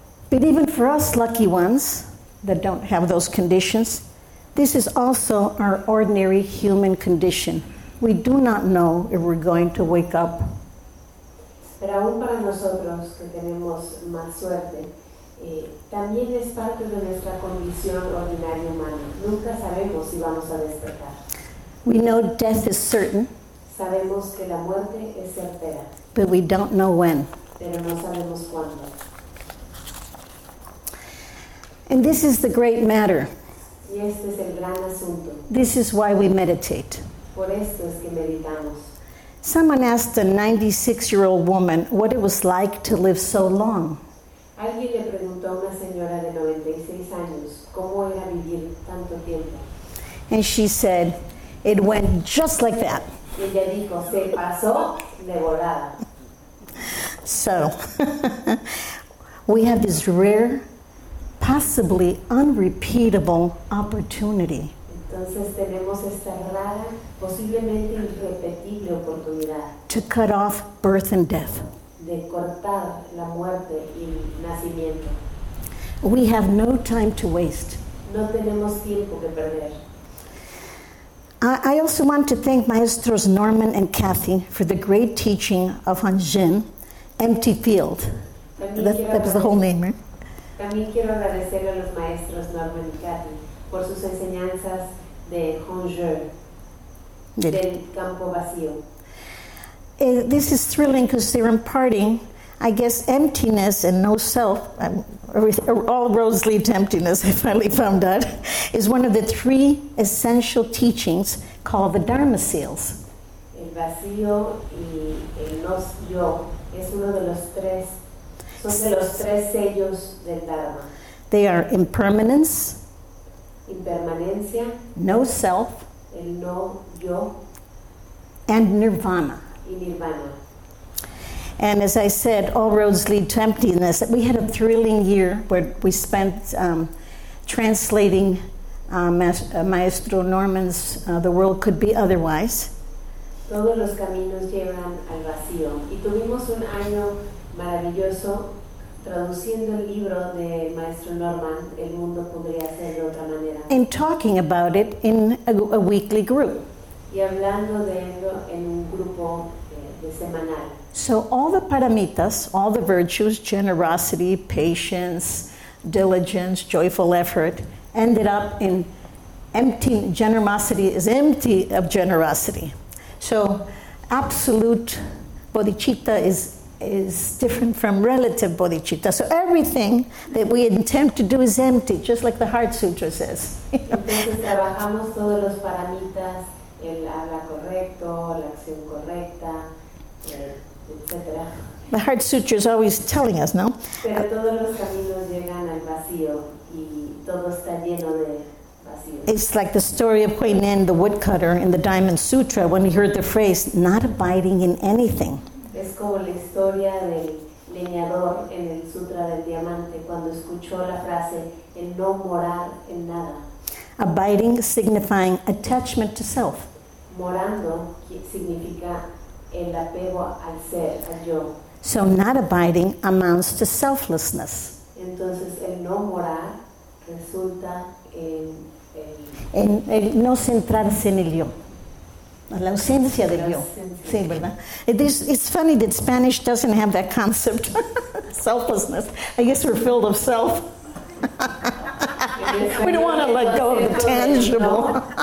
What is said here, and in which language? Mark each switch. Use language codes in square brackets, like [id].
[en] But even for us lucky ones that don't have those conditions, this is also our ordinary human condition. We do not know if we're going to wake up. [es] Pero aún para nosotros que tenemos más suerte, también es parte de nuestra condición ordinaria humana. Nunca sabemos si vamos a despertar. [en] We know death is certain. [es] Sabemos que la muerte es certera. [en] But we don't know when. [es] Pero no sabemos cuándo. [en] And this is the great matter. [es] Y este es el gran asunto. [en] This is why we meditate. [es] Por esto es que meditamos. [en] Someone asked a 96-year-old woman what it was like to live so long. [es] Alguien le preguntó a una señora de 96 años cómo era vivir tanto tiempo. [en] And she said, it went just like that. [es] Y ella dijo, se pasó de volada. [en] So, we have this rare, possibly unrepeatable opportunity. [es] Entonces tenemos esta rara, posiblemente irrepetible oportunidad. [en] To cut off birth and death. [es] De cortar la muerte y el nacimiento. [en] We have no time to waste. [es] No tenemos tiempo que perder. [en] I also want to thank Maestros Norman and Kathy for the great teaching of Han Jin, Empty Field. That was the whole name, right? [es] También quiero agradecer a los Maestros Norman y Kathy por sus enseñanzas de Han Jin, del campo vacío. [en] This is thrilling because they're imparting, I guess, emptiness and no self. All roads lead to emptiness, I finally found out, is one of the three essential teachings called the Dharma Seals. [es] El vacío y el no yo es uno de los tres, son de los tres sellos del Dharma. [en] They are impermanence, [es] impermanencia, [en] no self, [es] el no yo, [en] and nirvana. [es] Y nirvana. [en] And as I said, all roads lead to emptiness. We had a thrilling year where we spent translating Maestro Norman's The World Could Be Otherwise. [es] Todos los caminos llevan al vacío. Y tuvimos un año maravilloso traduciendo el libro de Maestro Norman, el mundo podría ser de otra manera. [en] And talking about it in a weekly group. [es] Y hablando de ello en un grupo de semanal. [en] So all the paramitas, all the virtues, generosity, patience, diligence, joyful effort, ended up in empty, generosity is empty of generosity. So absolute bodhicitta is different from relative bodhicitta. So everything that we intend to do is empty, just like the Heart Sutra says. [es] Entonces trabajamos todos los paramitas, el habla correcto, la acción correcta, [en] the Heart Sutra is always telling us, no? [es] Pero todos los caminos llegan al vacío y todo está lleno de vacío. [en] It's like the story of Kuei Nen, the woodcutter, in the Diamond Sutra, when he heard the phrase, not abiding in anything. [es] Es como la historia del leñador en el Sutra del Diamante, cuando escuchó la frase, el no morar en nada. [en] Abiding signifying attachment to self. [es] Morando significa el apego al ser, al yo. [en] So not abiding amounts to selflessness. [es] Entonces el no morar resulta en el no centrarse en el yo, la ausencia del yo. Sí, ¿verdad? [en] It's funny that Spanish doesn't have that concept, selflessness. I guess we're filled of self. We don't want to let go of the tangible.